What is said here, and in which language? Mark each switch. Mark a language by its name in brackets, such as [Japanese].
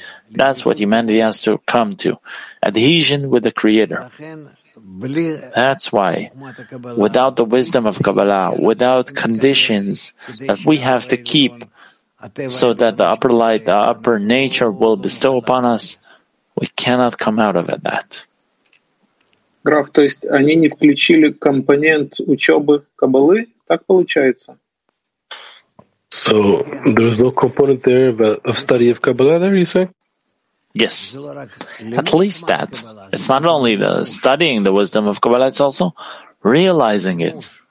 [English] That's what humanity has to come to. Adhesion with the Creator. That's why, without the wisdom of Kabbalah, without conditions that we have to keep, so that the upper light, the upper nature will bestow upon us, we cannot come out of it that. [Russian] Граф, то есть они не включили компонент учебы Каббалы, так получается? [English] So, there is no component there of study of Kabbalah there, you say? Yes, at least that. It's not only the studying the wisdom of Kabbalah, it's also realizing it.